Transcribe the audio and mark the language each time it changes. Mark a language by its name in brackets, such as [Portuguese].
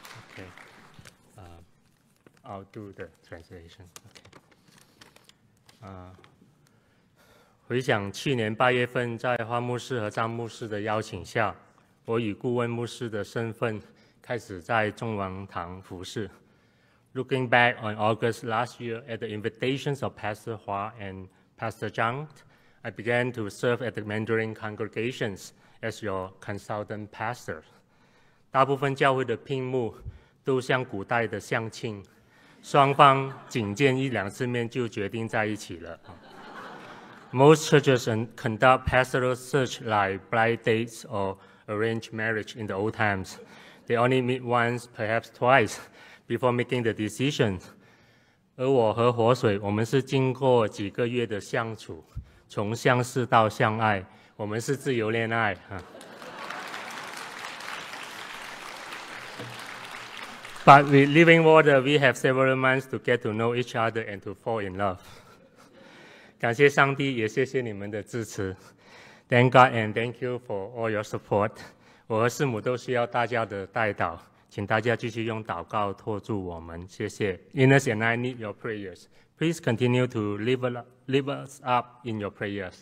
[English] Okay. I'll do the translation. Okay. [Chinese] 回想去年八月份，在华牧师和张牧师的邀请下，我以顾问牧师的身份开始在中王堂服事。 [English] Looking back on August last year at the invitations of Pastor Hua and Pastor Zhang, I began to serve at the Mandarin congregations as your consultant pastor. [Chinese] 大部分教会的聘牧都像古代的相亲，双方仅见一两次面就决定在一起了。 [English] Most churches conduct pastoral search like blind dates or arranged marriage in the old times. They only meet once, perhaps twice, before making the decision. [Chinese] 而我和活水，我们是经过几个月的相处，从相识到相爱，我们是自由恋爱。 [English] But with Living Water, we have several months to get to know each other and to fall in love. [Chinese] 感谢上帝，也谢谢你们的支持。 [English] Thank God and thank you for all your support. [Chinese] 我和师母都需要大家的带导，请大家继续用祷告托住我们，谢谢。 [English] Ines and I need your prayers. Please continue to live us up in your prayers.